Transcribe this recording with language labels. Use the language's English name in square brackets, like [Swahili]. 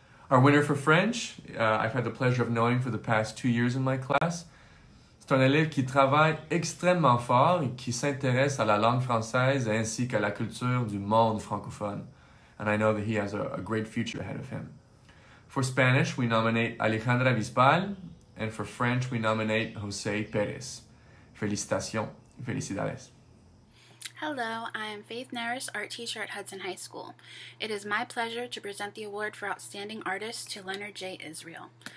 [English] Our winner for French, I've had the pleasure of knowing for the past 2 years in my class. [French] C'est un élève qui travaille extrêmement fort et qui s'intéresse à la langue française ainsi qu'à la culture du monde francophone. [English] And I know that he has a great future ahead of him. For Spanish, we nominate Alejandra Bisbal. And for French, we nominate José Pérez. [French] Félicitations. [Spanish] Félicidades. [English] Hello, I am Faith Naris, art teacher at Hudson High School. It is my pleasure to present the award for Outstanding Artist to Leonard J. Israel.